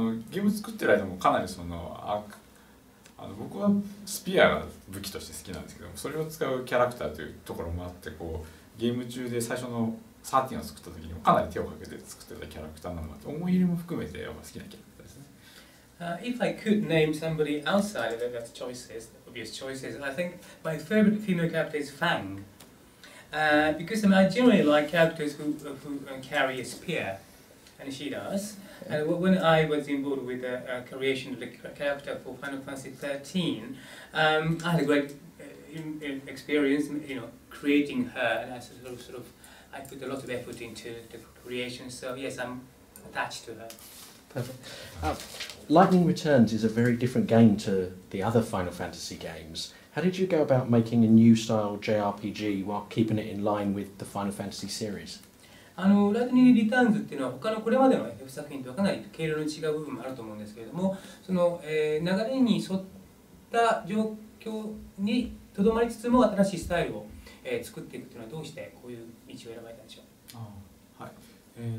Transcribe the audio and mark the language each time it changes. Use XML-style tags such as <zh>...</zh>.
<ja>ゲーム作ってる間もかなりその僕はスピアが武器として好きなんですけど、それを使うキャラクターというところもあって、こうゲーム中で最初の13を作った時にもかなり手をかけて作ってたキャラクターなので、思い入れも含めて好きなキャラクターですね。</ja> <en>If I could name somebody outside of that choices, the obvious choices, I think my favorite female character is Fang. Because I mean, I generally like characters who carry a spear, and she does. And when I was involved with the creation of the character for Final Fantasy XIII, I had a great experience, you know, creating her, and I sort of I put a lot of effort into the creation. So yes, I'm attached to her. Lightning Returns is a very different game to the other Final Fantasy games. How did you go about making a new style JRPG while keeping it in line with the Final Fantasy series?</en> <ja>Lightning Returns っていうのは他のこれまでの F 作品とはかなり経路の違う部分もあると思うんですけれども、その、流れに沿った状況にとどまりつつも新しいスタイルを、作っていくというのはどうしてこういう道を選ばれたんでしょう。</ja>